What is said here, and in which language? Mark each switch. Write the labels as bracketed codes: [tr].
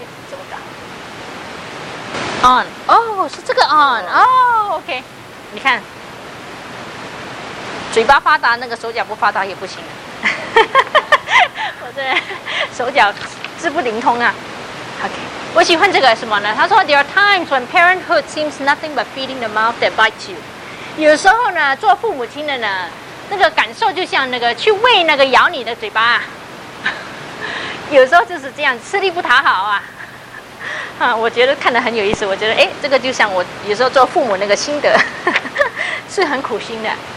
[zh] 怎么搞 on 哦、oh, 是这个 on 哦、oh, OK 你看嘴巴发达，那个手脚不发达也不行。我这手脚字不灵通啊。 OK，我喜欢这个什么呢？他说 [en] ：“There are times when parenthood seems nothing but feeding the mouth that bites you。” [zh] 有时候呢，做父母亲的呢，那个感受就像那个去喂那个咬你的嘴巴，有时候就是这样，吃力不讨好啊。啊，我觉得看得很有意思。我觉得，哎，这个就像我有时候做父母那个心得，是很苦心的。